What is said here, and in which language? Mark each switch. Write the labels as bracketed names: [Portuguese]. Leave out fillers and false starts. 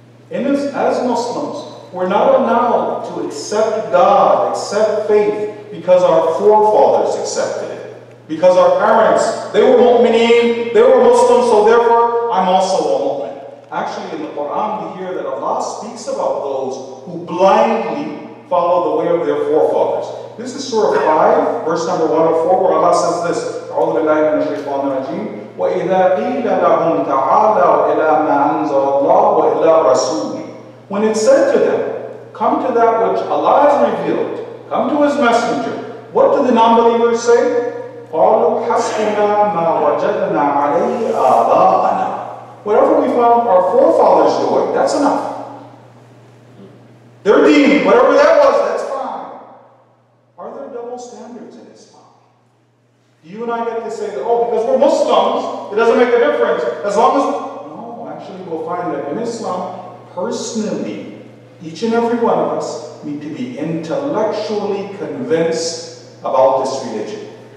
[English] As Muslims, we're not allowed to accept God, accept faith, because our forefathers accepted it. Because our parents, they were mu'mineen, they were Muslims, so therefore, I'm also a mu'min. Actually, in the Quran, we hear that Allah speaks about those who blindly follow the way of their forefathers. This is Surah 5, verse number 104, where Allah says this, [Arabic] أعوذ بالله من الشيطان الرجيم وإذا قيل لهم تعالوا إلى ما أنزل الله وإلى رسوله. [English] When it said to them, come to that which Allah has revealed, come to His Messenger, what do the non-believers say? [Arabic] قالوا حسبنا ما وجدنا عليه آباءنا. [English] Whatever we found our forefathers doing, that's enough. Their deen, whatever that was, that's fine. Are there double standards in Islam? Do you and I get to say that, oh, because we're Muslims, it doesn't make a difference. As long as, no, actually we'll find that in Islam, personally, each and every one of us need to be intellectually convinced about this religion.